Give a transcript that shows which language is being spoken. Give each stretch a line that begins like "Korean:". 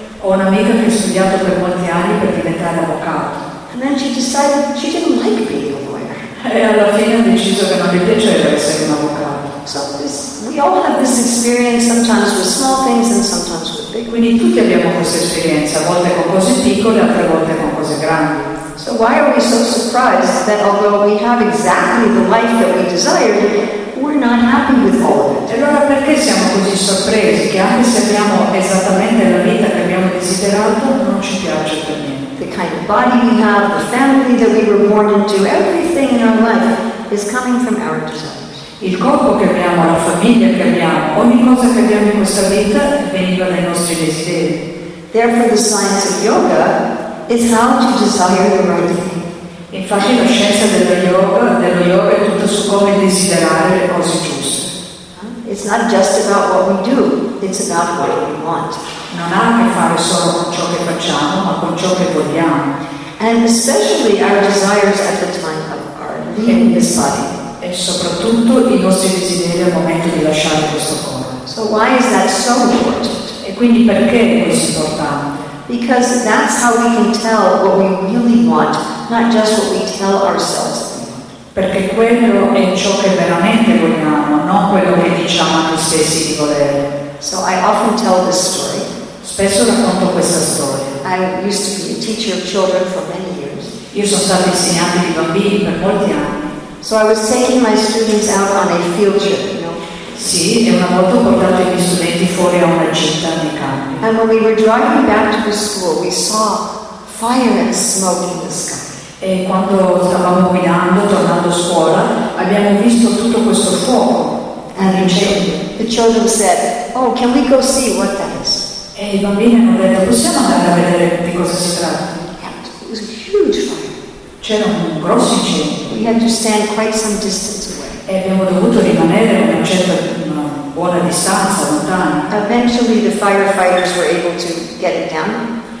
Italian: Ho un'amica che ha studiato per molti anni per diventare avvocato.
English: And then she decided she didn't like being a lawyer.
Italian: E alla fine ha deciso che non gli piaceva essere un avvocato.
English: So this, we all have this experience sometimes with small things and sometimes with big.
Italian: Quindi tutti abbiamo questa esperienza, a volte con cose piccole, altre volte con cose grandi.
English: So why are we so surprised that although we have exactly the life that we desired, we're not happy with all of it?
Italian: E allora perché siamo così sorpresi che anche se abbiamo esattamente la vita che abbiamo desiderato, non ci piace per niente?
English: The kind of body we have, the family that we were born into, everything in our life is coming from our desires.
Italian: Il corpo che abbiamo, la famiglia che abbiamo, ogni cosa che abbiamo in questa vita veniva dai nostri desideri.
English: Therefore the science of yoga is how to desire the right thing.
Italian: Infatti la scienza dello yoga è tutto su come desiderare le cose giuste.
English: It's not just about what we do, it's about what we want.
Italian: Non ha a che fare solo con ciò che facciamo, ma con ciò che vogliamo.
English: And especially our desires at the time of our leaving this body.
Italian: E soprattutto i nostri desideri al momento di lasciare questo corpo.
English: So why is that so important?
Italian: E quindi perché è così importante?
English: Because that's how we can tell what we really want, not just what we tell ourselves.
Italian: perché quello è ciò che veramente vogliamo, non quello che diciamo a noi stessi di volere.
English: So I often tell this story.
Italian: Spesso racconto questa storia.
English: I used to be a teacher of children for many years.
Italian: Io sono stata insegnante di bambini per molti anni.
English: So I was taking my students out on a field trip, you know.
Italian: Sì, e una volta ho portato i miei studenti fuori a una gita di campo.
English: And when we were driving back to the school, we saw firemen smoking in the sky.
Italian: E quando stavamo guidando, tornando a scuola, abbiamo visto tutto questo fuoco.
English: And the children said, "Oh, can we go see what that is?"
Italian: E i bambini hanno detto, possiamo andare a vedere di cosa si tratta?
English: Yeah, it was a huge fire.
Italian: C'era un grosso incendio.
English: We had to stand quite some distance away.
Italian: E abbiamo dovuto rimanere a una certa una buona distanza, lontano.
English: Eventually, the firefighters were able to get it down.